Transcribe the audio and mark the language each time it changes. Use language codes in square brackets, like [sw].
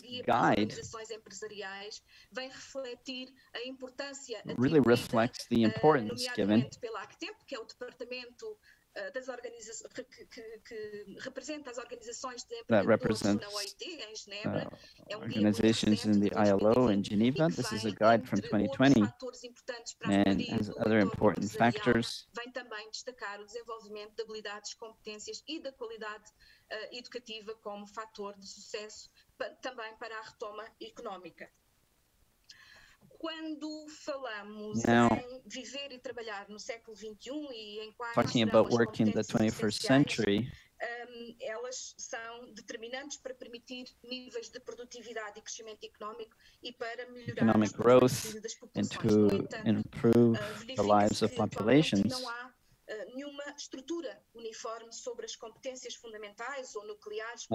[pt] guide, para as organizações empresariais, vem refletir a importância [en] really reflects the importance given [pt] pela ACTEP, que é o departamento das organizações que representa as organizações de empregadores na OIT em Genebra. [en] Organizations in the ILO in Geneva. This is a guide from 2020 and has other important factors. [pt] Vem também destacar o desenvolvimento de habilidades, competências e da qualidade educativa como fator de sucesso também para a retoma económica. Quando falamos [en] now, [pt] em viver e trabalhar no século 21 e em quais [en] talking about work in the 21st century, [pt] elas são determinantes para permitir níveis de produtividade e crescimento económico e para melhorar [en] economic growth and to improve the lives of populations. [pt] Nenhuma estrutura uniforme sobre as competências fundamentais ou nucleares